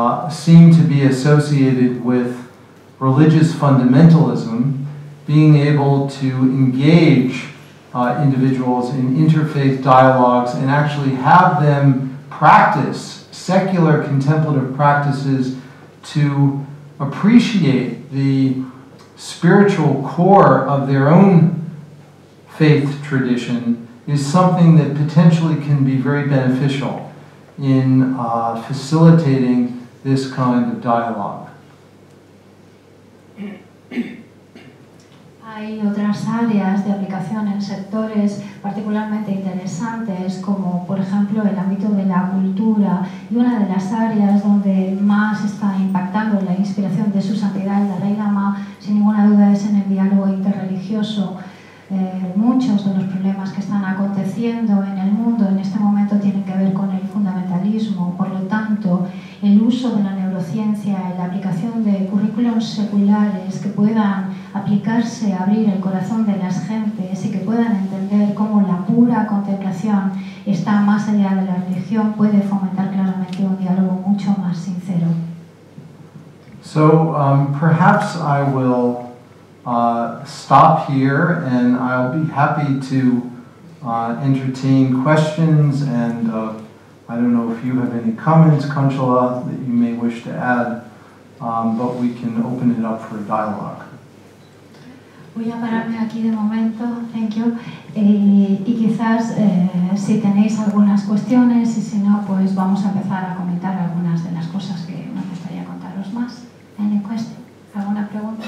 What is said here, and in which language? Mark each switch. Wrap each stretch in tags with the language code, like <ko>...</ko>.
<en>seem to be associated with religious fundamentalism, being able to engage individuals in interfaith dialogues and actually have them practice secular contemplative practices to appreciate the spiritual core of their own faith tradition is something that potentially can be very beneficial in facilitating this kind of dialogue.</en> <es>Hay otras áreas de aplicación en sectores particularmente interesantes, como por ejemplo el ámbito de la cultura, y una de las áreas donde más está impactando la inspiración de su santidad, el Dalai Lama, sin ninguna duda es en el diálogo interreligioso. Muchos de los problemas que están aconteciendo en el mundo en este momento tienen que ver con el fundamentalismo. Por lo tanto, el uso de la neurociencia y la aplicación de currículums seculares que puedan aplicarse a abrir el corazón de las gentes y que puedan entender cómo la pura contemplación está más allá de la religión puede fomentar claramente un diálogo mucho más sincero.</es> <en>So, perhaps I will stop here, and I'll be happy to entertain questions, and I don't know if you have any comments, Conchala, that you may wish to add, but we can open it up for a dialogue.</en> <es>Voy a pararme aquí de momento,</es> <en>thank you,</en> <es>y quizás si tenéis algunas cuestiones, y si no, pues vamos a empezar a comentar algunas de las cosas que me gustaría contaros más.</es> <en>Any questions?</en> <es>¿Alguna pregunta?</es>